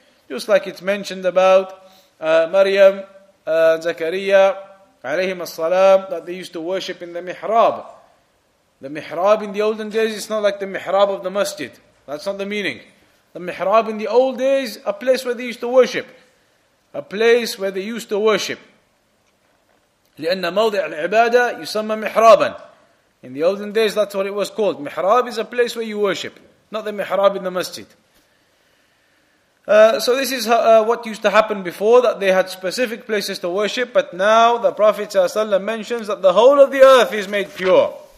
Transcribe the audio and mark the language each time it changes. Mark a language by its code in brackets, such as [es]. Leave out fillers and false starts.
[en] Just like it's mentioned about Maryam, Zakariya, alayhim as-salam, that they used to worship in the Mihrab. The Mihrab in the olden days, it's not like the Mihrab of the Masjid. That's not the meaning. The Mihrab in the old days, a place where they used to worship. A place where they used to worship. [ar] لأن موضع العبادة يسمى محرابا. [en] In the olden days, that's what it was called. Mihrab is a place where you worship, not the mihrab in the masjid. So this is what used to happen before, that they had specific places to worship, but now the Prophet ﷺ mentions that the whole of the earth is made pure.